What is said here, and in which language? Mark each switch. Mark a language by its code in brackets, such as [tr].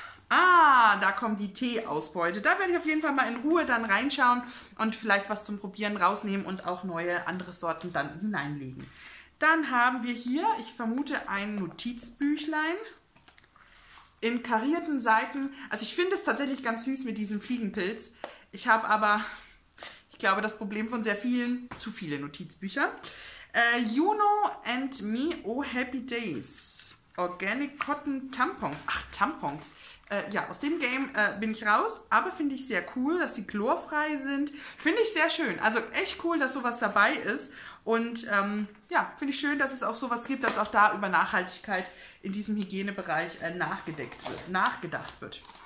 [de] Ah, da kommt die Teeausbeute. Da werde ich auf jeden Fall mal in Ruhe dann reinschauen und vielleicht was zum Probieren rausnehmen und auch neue andere Sorten dann hineinlegen. Dann haben wir hier, ich vermute, ein Notizbüchlein in karierten Seiten. Also ich finde es tatsächlich ganz süß mit diesem Fliegenpilz. Ich habe aber, ich glaube, das Problem von sehr vielen, zu viele Notizbücher. [en] Juno and me, oh happy days. [de] Organic Cotton Tampons. Ach, Tampons. Ja, aus dem Game bin ich raus, aber finde ich sehr cool, dass die chlorfrei sind. Finde ich sehr schön. Also echt cool, dass sowas dabei ist. Und ja, finde ich schön, dass es auch sowas gibt, dass auch da über Nachhaltigkeit in diesem Hygienebereich nachgedacht wird.